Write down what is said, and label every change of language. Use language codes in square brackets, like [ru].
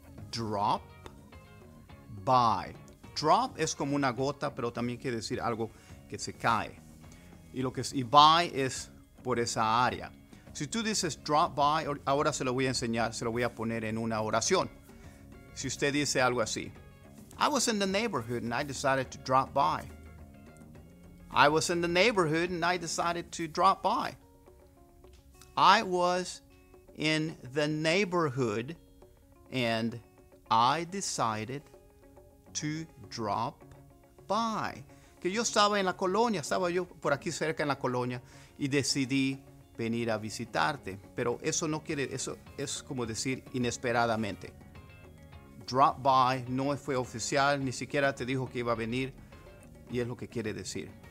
[en] Drop by. [es] Drop es como una gota, pero también quiere decir algo que se cae. Y by es por esa área. Si tú dices drop by, ahora se lo voy a enseñar, se lo voy a poner en una oración. Si usted dice algo así. [en] I was in the neighborhood and I decided to drop by. I was in the neighborhood and I decided to drop by. I was in the neighborhood and I decided to drop by. [es] Que yo estaba en la colonia, estaba yo por aquí cerca en la colonia y decidí venir a visitarte, pero eso no quiere, eso es como decir inesperadamente. Drop by no fue oficial, ni siquiera te dijo que iba a venir, y es lo que quiere decir.